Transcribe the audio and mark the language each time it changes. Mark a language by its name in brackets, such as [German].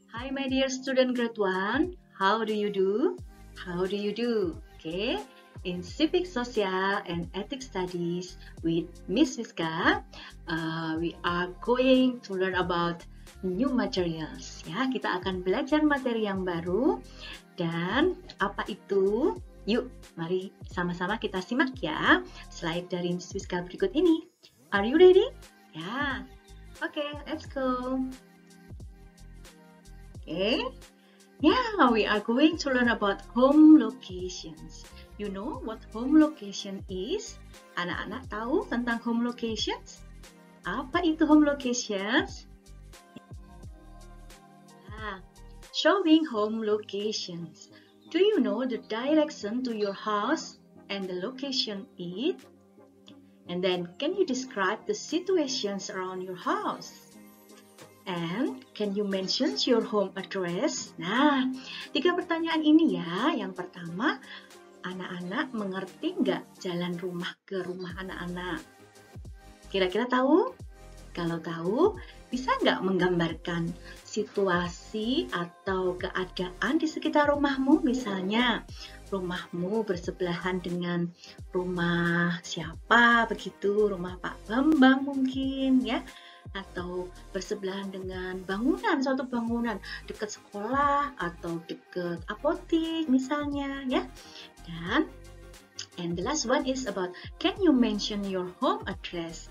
[English] my dear student grade 1, how do you do? How do you do? Okay, in civic, social, and ethics studies with Miss Miska, we are going to learn about new materials. [Indonesian] Ya, kita akan belajar materi yang baru. Dan apa itu? Yuk, mari sama-sama kita simak ya slide dari Miss Miska berikut ini. [English] Are you ready? Ya. Okay, let's go. Okay. Yeah, we are going to learn about home locations. You know what home location is? [Indonesian] Anak-anak tahu tentang home locations? Apa itu home locations? [English] Showing home locations. Do you know the direction to your house and the location it? And then, can you describe the situations around your house? And can you mention your home address? [Indonesian] Nah, tiga pertanyaan ini ya. Yang pertama, anak-anak mengerti nggak jalan rumah ke rumah anak-anak? Kira-kira tahu? Kalau tahu, bisa nggak menggambarkan situasi atau keadaan di sekitar rumahmu? Misalnya, rumahmu bersebelahan dengan rumah siapa begitu, rumah Pak Bambang mungkin ya, atau bersebelahan dengan bangunan, suatu bangunan dekat sekolah atau dekat apotek misalnya ya. [English] Dan and the last one is about can you mention your home address.